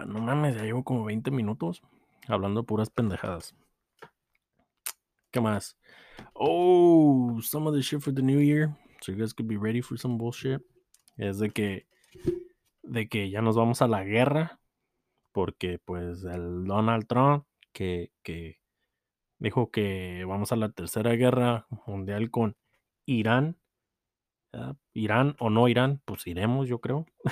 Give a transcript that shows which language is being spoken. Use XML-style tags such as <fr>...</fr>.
<es>No mames, ya llevo como 20 minutos hablando puras pendejadas. ¿Qué más?</es> <en>Oh, some of the shit for the new year, so you guys could be ready for some bullshit.</en> <es>Es de que ya nos vamos a la guerra, porque pues el Donald Trump que dijo que vamos a la tercera guerra mundial con Irán. Irán o no Irán, pues iremos, yo creo.</es>